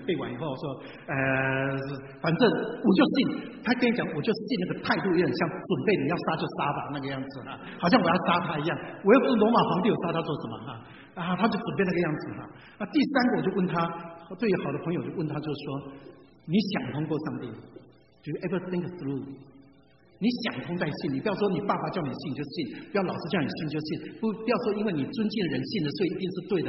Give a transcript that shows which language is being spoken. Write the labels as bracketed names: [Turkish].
[Chinese] 背完以后说，反正我就信。他跟你讲，我就信，那个态度有点像准备你要杀就杀吧那个样子啊，好像我要杀他一样。我又不是罗马皇帝，我杀他做什么啊？他就准备那个样子啊。那第三个，我就问他，我对于好的朋友就问他，就说。你想通过上帝 [English] Do you ever think through? [Chinese] 你想通再信，你不要说你爸爸叫你信就信，不要老师叫你信就信，不要说因为你尊敬人信的所以一定是对的。